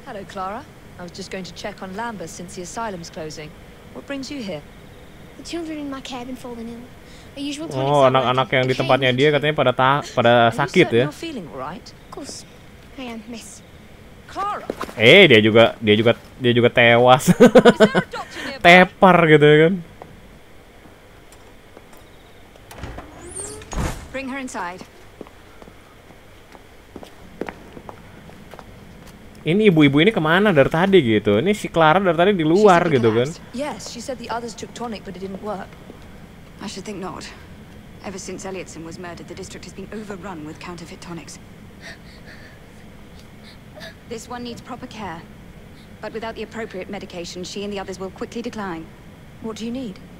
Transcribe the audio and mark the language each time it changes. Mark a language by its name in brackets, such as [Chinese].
[English] Hello Clara, I was just going to check on Lambert since the asylum's closing. What brings you here? The children in my cabin fallen ill. A usual time. [Indonesian] Oh, anak-anak yang di tempatnya dia katanya pada sakit ya. [English] Of course, I am, Miss Clara. [Indonesian] Dia juga tewas. Tepar gitu ya kan. [English] Bring her inside. [Indonesian] Ini ibu-ibu ini kemana dari tadi gitu? Ini si Clara dari tadi di luar gitu kan? [English] Yes, she said the others took tonic, but it didn't work. I should think not. Ever since Elliotson was murdered, the district has been overrun with counterfeit tonics. This one needs proper care, but without the appropriate medication, she and the others will quickly decline. What do you need?